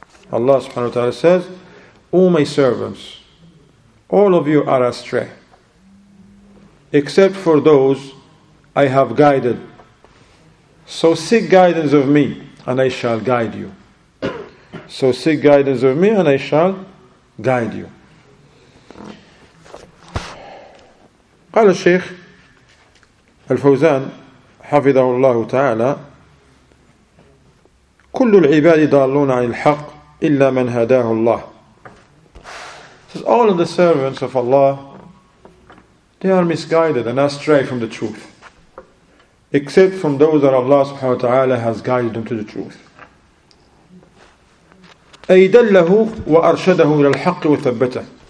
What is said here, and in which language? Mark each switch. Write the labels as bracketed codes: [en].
[en] Allah subhanahu wa ta'ala says, all my servants, all of you are astray, except for those I have guided. So seek guidance of me, and I shall guide you. So seek guidance of me, and I shall guide you. [ar] قال الشيخ الفوزان حفظه الله تعالى كل العباد ضالون عن الحق إلا من هداه الله. [en] So all of the servants of Allah, they are misguided and astray from the truth, except from those that Allah سبحانه وتعالى has guided them to the truth. [ar] أي دله وأرشده إلى الحق وثبته.